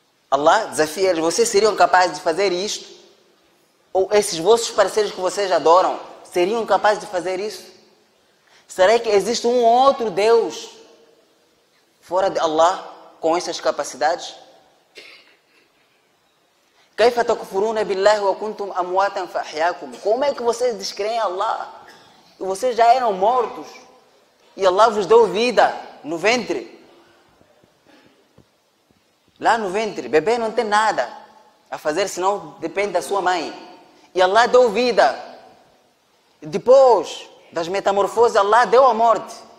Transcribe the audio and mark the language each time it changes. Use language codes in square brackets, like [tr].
[pt] Allah desafia-lhes, vocês seriam capazes de fazer isto? Ou esses vossos parceiros que vocês adoram, seriam capazes de fazer isso? Será que existe um outro Deus fora de Allah com essas capacidades? [ar] كيف تكفرون بالله وكنتم امواتا فاحياكم. [pt] Como é que vocês descreem Allah? E vocês já eram mortos. E Allah vos deu vida no ventre. Lá no ventre, bebê não tem nada a fazer, senão depende da sua mãe. E Allah deu vida. Depois das metamorfoses, Allah deu a morte.